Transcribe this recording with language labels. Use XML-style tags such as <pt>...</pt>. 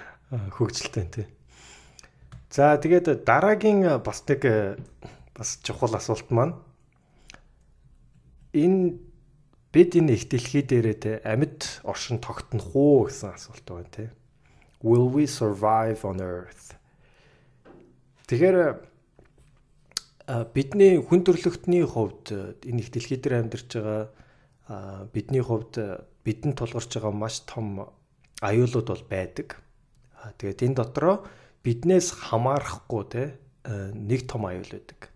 <mn>Хөгжилтэй тий. За тэгээд дараагийн бас нэг бас чухал асуулт маань энэ бид энэ их дэлхий дээр тий амьд оршин тогтнох уу гэсэн асуулт байна тий.</mn> <en>Will we survive on earth?</en> <mn>Тэгэхээр бидний хүн төрөлхтний хувьд энэ их дэлхий дээр амьдарч байгаа бидний хувьд бидэн тулгарч байгаа маш том аюулууд бол байдаг. Тэгээд энэ дотроо биднээс хамаарахгүй те нэг том аюул байдаг.</mn>